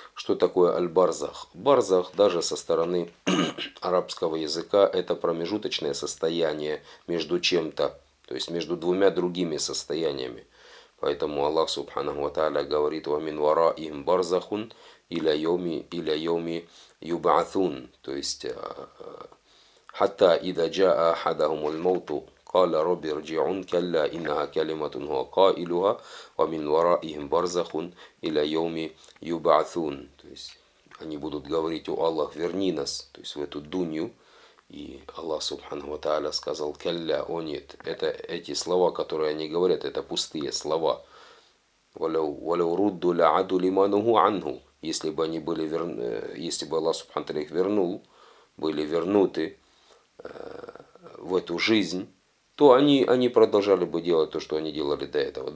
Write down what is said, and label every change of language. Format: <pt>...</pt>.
<ru>Что такое аль-барзах? Барзах, даже со стороны арабского языка, это промежуточное состояние между чем-то, то есть между двумя другими состояниями. Поэтому Аллах, субханаху ва тааля, говорит «Ва мин вара им барзахун иля йоми юбаатун». То есть «Хатта ида джаа ахадахум аль-мауту».</ru> <ar>قال رب ارجعون كلا إنها كلمة هو قائلها ومن ورائهم برزخ إلى يوم يبعثون.</ar> <ru>То есть они будут говорить: о Аллах, верни нас, то есть в эту дунью. И Аллах субханаху ва тааля сказал: кэлля, о нет, это эти слова, которые они говорят, это пустые слова.</ru> <ar>ولو ردوا لعدوا لما نهوا عنه.</ar> <ru>Если бы они были верны, если бы Аллах субханаху ва тааля их вернул, были вернуты в эту жизнь, то они продолжали бы делать то, что они делали до этого.</ru>